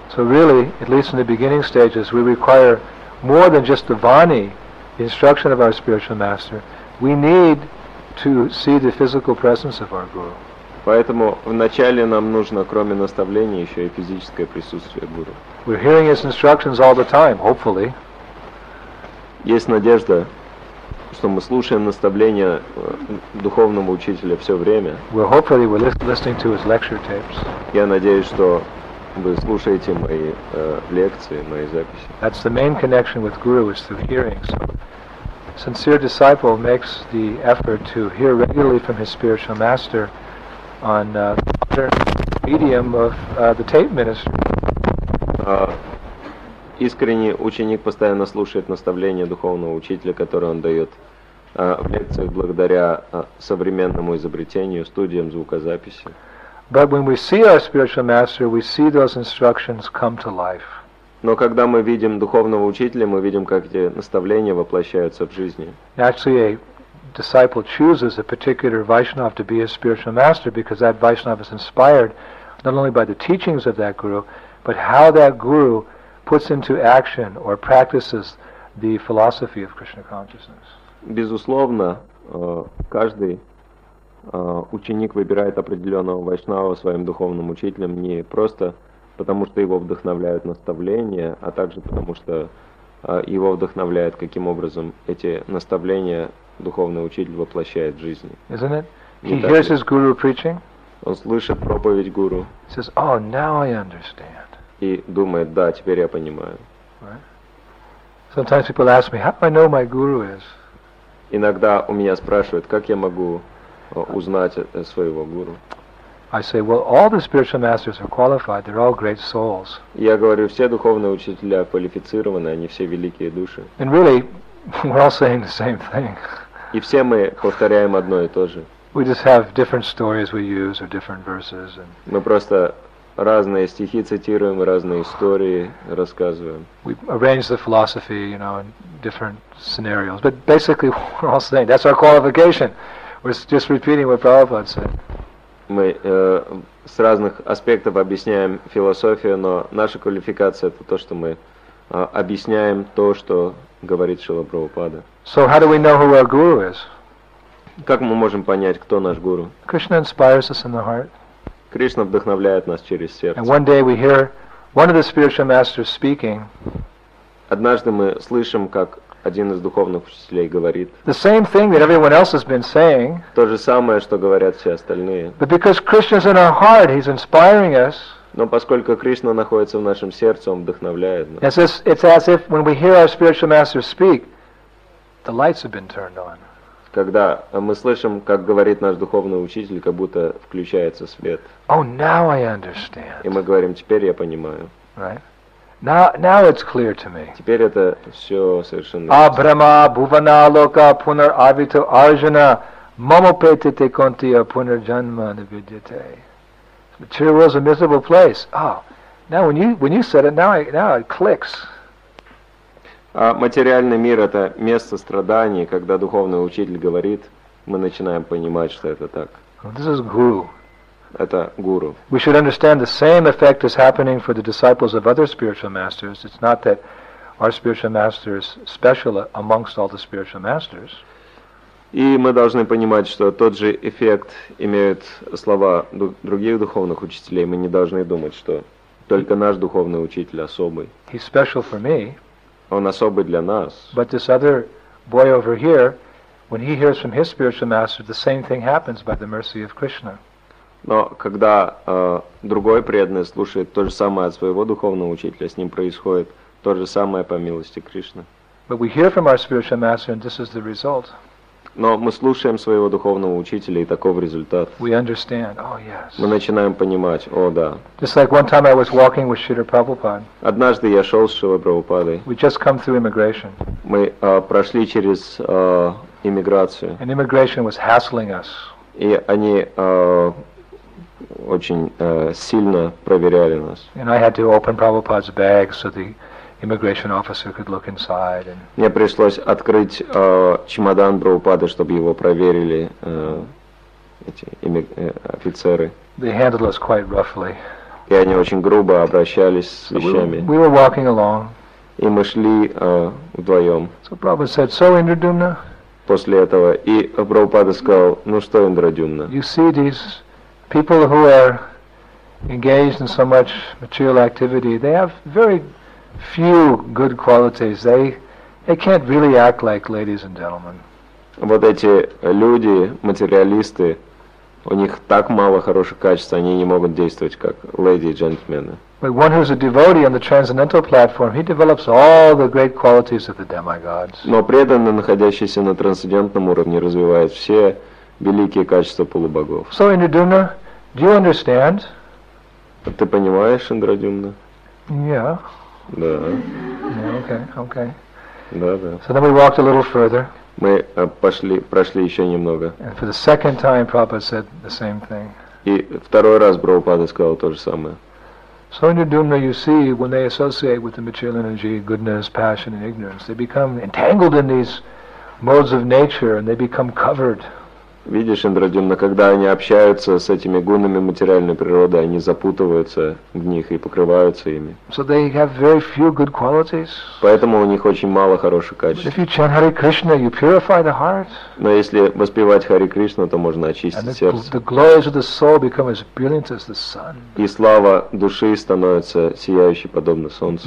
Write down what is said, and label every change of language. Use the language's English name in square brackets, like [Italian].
[English] So really, at least in the beginning stages, we require more than just the vani, the instruction of our spiritual master. We need to see the physical presence of our guru. [Russian] Поэтому вначале нам нужно, кроме наставления, еще и физическое присутствие гуру. [English] We're hearing his instructions all the time, hopefully. [Russian] Есть надежда, что мы слушаем наставления духовного учителя все время. [English] We're hopefully we're listening to his lecture tapes. [Russian] Я надеюсь, что вы слушаете мои лекции, мои записи. [English] That's the main connection with guru, is through hearing. So sincere disciple makes the effort to hear regularly from his spiritual master on the modern medium of the tape ministry. [Russian] Искренний ученик постоянно слушает наставления духовного учителя, которые он дает в лекциях благодаря современному изобретению, студиям звукозаписи. [English] But when we see our spiritual master, we see those instructions come to life. [Russian] Но когда мы видим духовного учителя, мы видим, как эти наставления воплощаются в жизни. [English] Actually, a disciple chooses a particular Vaishnava to be his spiritual master because that Vaishnava is inspired not only by the teachings of that guru, but how that guru puts into action or practices the philosophy of Krishna consciousness. [Russian] Безусловно, каждый ученик выбирает определенного вайшнава своим духовным учителем не просто потому, что его вдохновляют наставления, а также потому, что его вдохновляет, каким образом эти наставления духовный учитель воплощает в жизни. [English] Isn't it? He hears his guru preaching. [Russian] Он слышит проповедь гуру. [English] He says, "Oh, now I understand." [Russian] И думает, да, теперь я понимаю. [English] Right. Sometimes people ask me, how do I know my guru is? [Russian] Иногда у меня спрашивают, как я могу узнать своего гуру? [English] I say, well, all the spiritual masters are qualified, they're all great souls. [Russian] Я говорю, все духовные учителя квалифицированы, они все великие души. [English] And really, we're all saying the same thing. [Russian] И все мы повторяем одно и то же. [English] We just have different stories we use or different verses. [Russian] Мы просто разные стихи цитируем, разные истории рассказываем. [English] We arrange the philosophy, you know, in different scenarios. But basically, we're all saying, that's our qualification. We're just repeating what Prabhupada said. [Russian] Мы с разных аспектов объясняем философию, но наша квалификация — это то, что мы объясняем то, что говорит Шрила Прабхупада. [English] So how do we know who our guru is? [Russian] Как мы можем понять, кто наш гуру? [English] Krishna inspires us in the heart. [Russian] Кришна вдохновляет нас через сердце. [English] And one day we hear one of the spiritual masters speaking. [Russian] Однажды мы слышим, как один из духовных учителей говорит. [English] The same thing that everyone else has been saying. [Russian] То же самое, что говорят все остальные. [English] But because Krishna's in our heart, he's inspiring us. [Russian] Но поскольку Кришна находится в нашем сердце, он вдохновляет нас. [English] It's as if when we hear our spiritual master speak, the lights have been turned on. [Russian] Когда мы слышим, как говорит наш духовный учитель, как будто включается свет. [English] Oh, now I understand. [Russian] И мы говорим, теперь я понимаю. [English] Right. Now it's clear to me. [Russian] Теперь это все совершенно ясно. [Sanskrit] Абрама бувана лока пунар авито арджуна мамопетите контия пунар джанма навидите. [English] The material world is a miserable place. Oh, Now when you said it, now it clicks. [Russian] А материальный мир — это место страданий. Когда духовный учитель говорит, мы начинаем понимать, что это так. [English] This is guru. [Russian] Это гуру. [English] We should understand the same effect is happening for the disciples of other spiritual masters. It's not that our spiritual master is special amongst all the spiritual masters. [Russian] И мы должны понимать, что тот же эффект имеют слова других духовных учителей. Мы не должны думать, что только наш духовный учитель особый. [English] He's special for me. [Russian] Он особый для нас. [English] But this other boy over here, when he hears from his spiritual master, the same thing happens by the mercy of Krishna. [Russian] Но когда другой преданный слушает то же самое от своего духовного учителя, с ним происходит то же самое по милости Кришны. [English] But we hear from our spiritual master, and this is the result. [Russian] Но мы слушаем своего духовного учителя, и таков результат. [English] We understand. Oh, yes. [Russian] Мы начинаем понимать. О, да. [English] Just like one time I was walking with Shrila Prabhupada. [Russian] Однажды я шел с Шрилой Прабхупадой. [English] We just come through immigration. [Russian] Мы прошли через иммиграцию. [English] And immigration was hassling us. [Russian] И они очень сильно проверяли нас. [English] And I had to open Prabhupada's bag so the immigration officer could look inside. And [Russian] мне пришлось открыть чемодан Прабхупады, чтобы его проверили эти офицеры. [English] They handled us quite roughly. [Russian] И они очень грубо обращались с вещами. [English] We were walking along. [Russian] И мы шли вдвоем. [English] So Prabhupada said, "So, Indradyumna." [Russian] После этого и Прабхупада сказал: "Ну что, Индрадюмна?" [English] You see these people who are engaged in so much material activity, they have very few good qualities. They can't really act like ladies and gentlemen. [Russian] Вот эти люди, материалисты, у них так мало хороших качеств, они не могут действовать как леди и джентльмены. [English] But one who's a devotee on the transcendental platform, he develops all the great qualities of the demigods. [Russian] Но преданный, находящийся на трансцендентном уровне, развивает все великие качества полубогов. [English] So, Indradyumna, do you understand? [Russian] Ты понимаешь, Индрадюмна? [English] Yeah. [Russian] Да. [English] Yeah, okay. [Russian] Да, да. [English] So then we walked a little further. [Russian] Мы прошли еще немного. [English] And for the second time, Prabhupada said the same thing. [Russian] И второй раз Прабхупада сказал то же самое. [English] So, Indradyumna, you see, when they associate with the material energy, goodness, passion, and ignorance, they become entangled in these modes of nature, and they become covered. [Russian] Видишь, Индрадюмна, когда они общаются с этими гунами материальной природы, они запутываются в них и покрываются ими. [English] So they have very few good qualities. [Russian] Поэтому у них очень мало хороших качеств. [English] If you chant Hare Krishna, you purify the heart. [Russian] Но если воспевать Хари Кришну, то можно очистить сердце. [English] And the glories of the soul become as brilliant as the sun. [Russian] И слава души становится сияющей, подобно солнцу.